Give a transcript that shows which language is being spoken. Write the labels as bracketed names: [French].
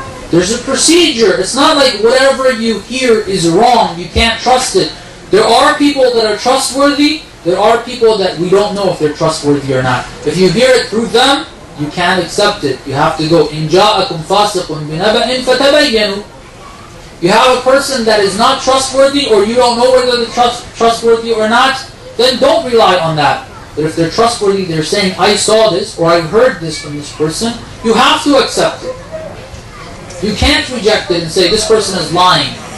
[English] There's a procedure. It's not like whatever you hear is wrong, you can't trust it. There are people that are trustworthy, there are people that we don't know if they're trustworthy or not. If you hear it through them, you can't accept it. You have to go, [Arabic] إِن جَاءَكُمْ فَاسِقٌ بِنَبَئٍ فَتَبَيَّنُوا. [English] You have a person that is not trustworthy, or you don't know whether they're trustworthy or not, then don't rely on that. But if they're trustworthy, they're saying, I saw this, or I've heard this from this person, you have to accept it. You can't reject it and say, this person is lying.